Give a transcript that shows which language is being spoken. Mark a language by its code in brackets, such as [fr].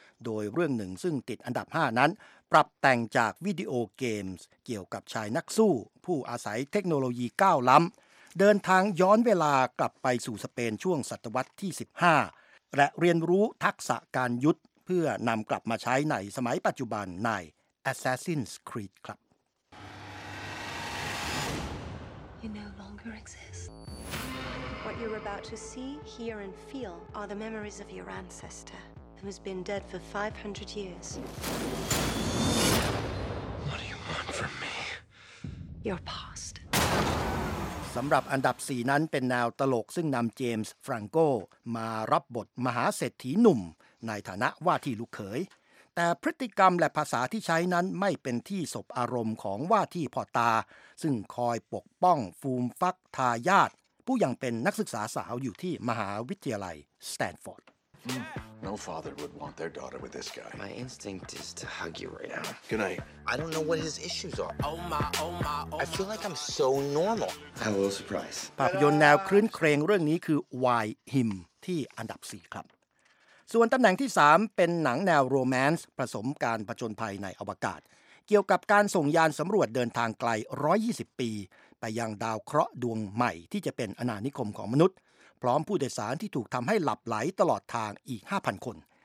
[th] โดยเรื่องหนึ่งซึ่งติดอันดับ5นั้นปรับแต่งจากวิดีโอเกมส์เกี่ยวกับชายนักสู้ผู้อาศัยเทคโนโลยีก้าวล้ำเดินทางย้อนเวลากลับไปสู่สเปนช่วงศตวรรษที่15และเรียนรู้ทักษะการยุทธเพื่อนำกลับมาใช้ในสมัยปัจจุบันใน Assassin's Creed ครับexist. [en] What you're about to see, hear and feel are the memories of your ancestor who has been dead for 500 years. What do you want from me? Your past. [th] สำหรับอันดับ4นั้นเป็นแนวตลกซึ่งนำเจมส์ฟรังโกมารับบทมหาเศรษฐีหนุ่มในฐานะว่าที่ลูกเขยแต่พฤติกรรมและภาษาที่ใช้นั้นไม่เป็นที่สบอารมณ์ของว่าที่พ่อตาซึ่งคอยปกป้องฟูมฟักทายาทผู้ยังเป็นนักศึกษาสาวอยู่ที่มหาวิทยาลัยสแตนฟอร์ด [en] No father would want their daughter with this guy. My instinct is to hug you right now. Good night. I don't know what his issues are. I feel like I'm so normal. I'm a little surprised. [th] ภาพยนตร์แนวครื้นเครงเรื่องนี้คือ Why Him ที่อันดับ4ครับส่วนตำแหน่งที่3เป็นหนังแนวโรแมนซ์ผสมการผจญภัยในอวกาศเกี่ยวกับการส่งยานสำรวจเดินทางไกล120ปีไปยังดาวเคราะห์ดวงใหม่ที่จะเป็นอนานิคมของมนุษย์พร้อมผู้โดยสารที่ถูกทำให้หลับไหลตลอดทางอีก 5,000 คน